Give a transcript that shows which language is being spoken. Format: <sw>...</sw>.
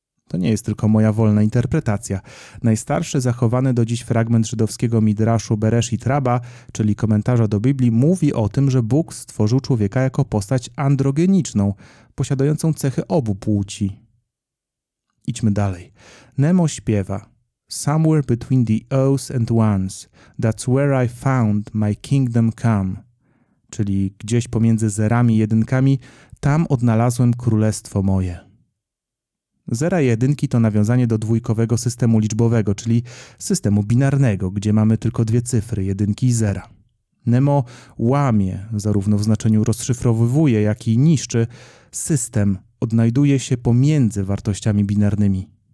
<pl>To nie jest tylko moja wolna interpretacja. Najstarszy zachowany do dziś fragment żydowskiego Midraszu Bereshit Rabba, czyli komentarza do Biblii, mówi o tym, że Bóg stworzył człowieka jako postać androgeniczną, posiadającą cechy obu płci. Idźmy dalej. Nemo śpiewa:</pl> <en>Somewhere between the O's and ones, that's where I found my kingdom come.</en> <pl>Czyli gdzieś pomiędzy zerami i jedynkami, tam odnalazłem królestwo moje. Zera i jedynki to nawiązanie do dwójkowego systemu liczbowego, czyli systemu binarnego, gdzie mamy tylko dwie cyfry, jedynki i zera. Nemo łamie, zarówno w znaczeniu rozszyfrowuje, jak i niszczy, system odnajduje się pomiędzy wartościami binarnymi.</pl>